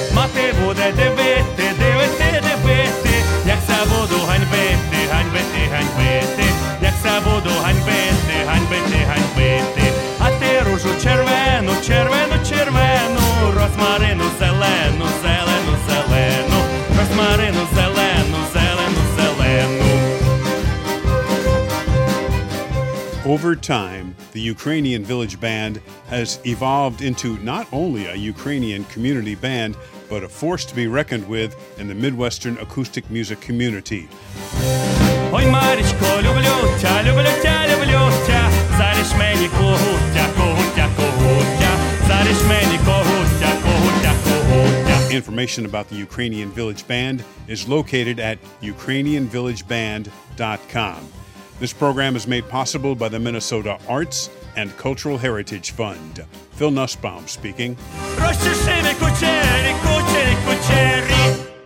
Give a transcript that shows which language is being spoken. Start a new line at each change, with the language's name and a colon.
Ukrainian: Мати буде дивити, дивити, дивити, як ся буду ганьбити, ганьбити, ганьбити, як ся буду ганьбити, ганьбити, ганьбити. А ти ружу червену, червену, червену, розмарину зелену, зелену, зелену, розмарину зелену, зелену, зелену.
English: Over time, the Ukrainian Village Band has evolved into not only a Ukrainian community band, but a force to be reckoned with in the Midwestern acoustic music community.
Ukrainian: Ой, Марічко, люблю тя, люблю тя, люблю тя, заріж мені когуття, когуття, когуття, заріж мені когуття, когуття, когуття.
English: Information about the Ukrainian Village Band is located at ukrainianvillageband.com. This program is made possible by the Minnesota Arts and Cultural Heritage Fund. Phil Nussbaum speaking.